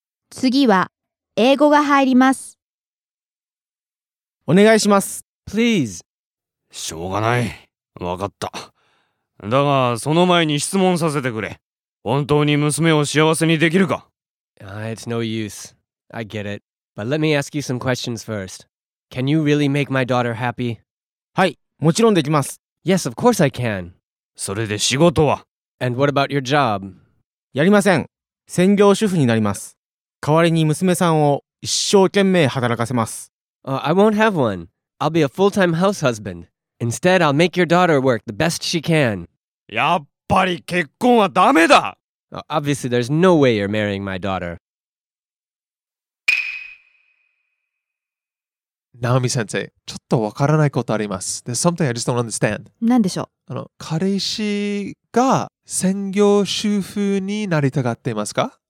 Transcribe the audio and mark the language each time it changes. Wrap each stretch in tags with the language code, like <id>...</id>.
<ja>次は英語が入ります。お願いします。</ja> <en>Please。</en> <ja>しょうがない。わかった。だが、その前に質問させてくれ。本当に娘を幸せにできるか?</ja> <en>It's no use. I get it. But let me ask you some questions first. Can you really make my daughter happy?</en> <ja>はい、もちろんできます。</ja> <en>Yes, of course I can.</en> <ja>それで仕事は?</ja> <en>And what about your job?</en> <ja>やりません。専業主婦になります。代わりに娘さんを一生懸命働かせます。</ja> <en>I won't have one. I'll be a full-time house husband. Instead, I'll make your daughter work the best she can.</en> <ja>やっぱり結婚はダメだ!</ja> <en>Obviously, there's no way you're marrying my daughter.</en> <ja>Naomi 先生、ちょっとわからないことあります。</ja> <en>There's something I just don't understand.</en> <ja>何でしょう? 彼氏が専業主婦になりたがっていますか?</ja>